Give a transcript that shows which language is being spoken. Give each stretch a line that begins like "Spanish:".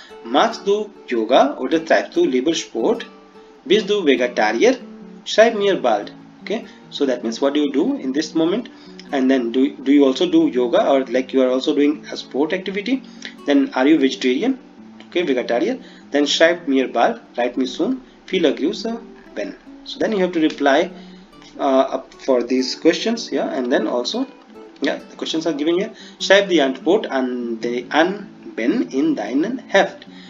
German: Magst du Yoga oder treibst du lieber Sport? Bist du Vegetarier? Schreib mir bald.
English: Okay, so that means what do you do in this moment, and then do you also do yoga, or like you are also doing a sport activity? Then are you vegetarian? Okay, vegetarian. Then
German: schreib mir bald,
English: write me soon.
German: Viel Grüße, Ben.
English: So then you have to reply for these questions, yeah. And then also, yeah, the questions are given here.
German: Schreib die Antwort an Ben in deinen Heft.